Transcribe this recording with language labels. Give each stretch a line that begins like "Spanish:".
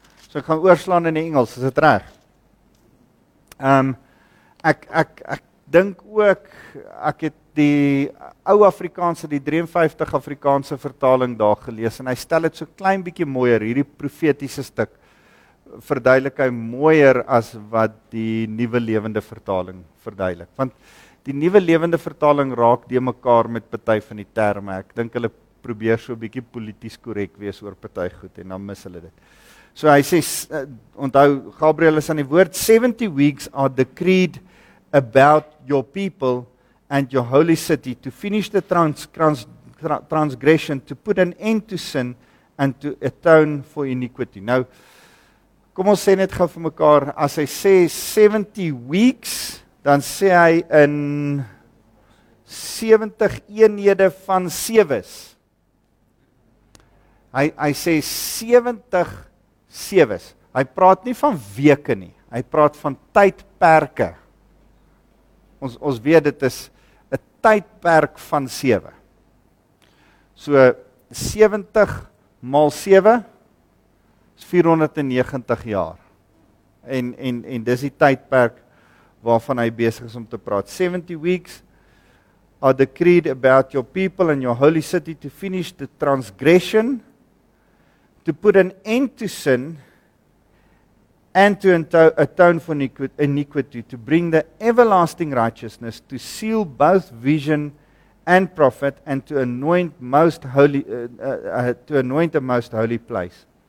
Afrikaans: So ek gaan oorslaan in die Engels, is dit reg? Ek dink ook ek het die ou Afrikaanse, die 53 Afrikaanse vertaling daar gelees en hy stel het so klein bietjie mooier, hierdie profetiese stuk verduidelik hy mooier as wat die nuwe lewende vertaling verduidelik, want die nuwe lewende vertaling raak die mekaar met party van die terme, ek dink hulle probeer so bietjie polities korrek wees oor party goed en dan mis hulle dit. So hy sê, onthou Gabriël is aan die woord,
English: 70 weeks are decreed about your people and your holy city to finish the transgression, to put an end to sin, and to atone for iniquity.
Afrikaans: Nou, kom ons sê net gou vir mekaar, as hy sê 70 weeks, dan sê hy in 70 eenhede van sewes. Hy sê 70 sewes. Hy praat nie van weke nie, hy praat van tydperke. Ons weet dit is tydperk van 7. So 70 maal 7 is 490 jaar. En dis die tydperk waarvan hy besig is om te praat.
English: 70 weeks are decreed about your people and your holy city to finish the transgression, to put an end to sin and to atone for iniquity, to bring the everlasting righteousness, to seal both vision and prophet, and to anoint most holy, to anoint the most holy place.